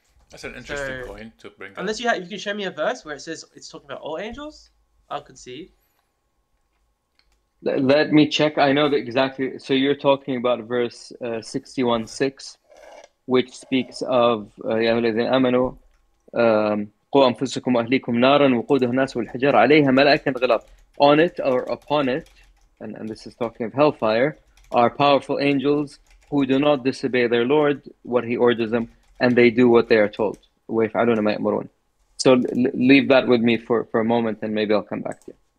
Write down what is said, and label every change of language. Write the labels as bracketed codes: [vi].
[en] That's an interesting point to bring up. Unless you can show me a verse where it says it's talking about all angels, I'll concede. Let me check. I know that exactly. So you're talking about verse 61:6, which speaks of Ya Ayyuhalladhina Amanu. [ar] قو أنفسكم أهليكم نارا وقودها الناس والحجارة عليها ملائكة غلاظ. [en] On it or upon it, and this is talking of hellfire, are powerful angels who do not disobey their Lord, what he orders them, and they do what they are told. [ar] ويفعلون ما يأمرون. [en] So leave that with me for a moment and maybe I'll come back to you.